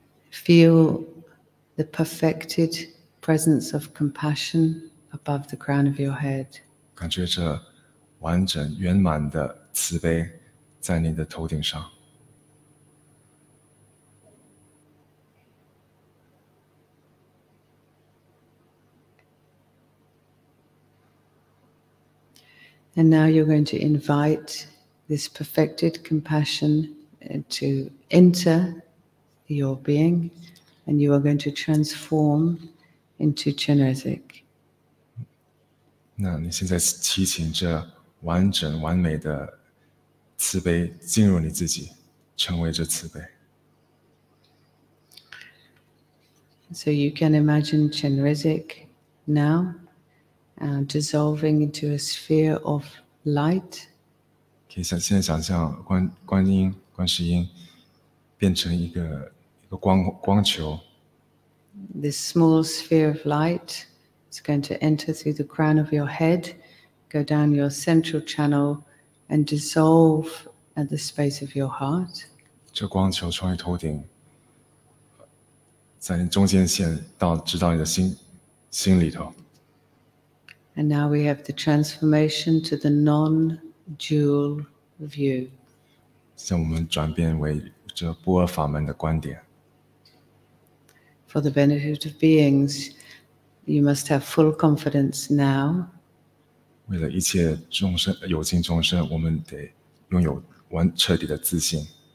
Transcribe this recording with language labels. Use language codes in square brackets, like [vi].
[en] Feel the perfected presence of compassion above the crown of your head. [zh] 感觉这完整圆满的慈悲在你的头顶上。 [en] And now you're going to invite this perfected compassion to enter your being, and you are going to transform into Chinrezig. [zh] 那你现在提醒这完整完美的慈悲进入你自己，成为这慈悲。 [en] So you can imagine Chinrezig now. Dissolving into a sphere of light. [zh] 可以现在想象观世音变成一个光球。 [en] This small sphere of light is going to enter through the crown of your head, go down your central channel, and dissolve at the space of your heart. [zh] 这光球穿越头顶，在你中间线到直到你的心里头。 [en] And now we have the transformation to the non-dual view. [zh] 现在我们转变为这不二法门的观点。 [en] For the benefit of beings, you must have full confidence now. [zh] 为了一切众生，有情众生，我们得拥有完彻底的自信。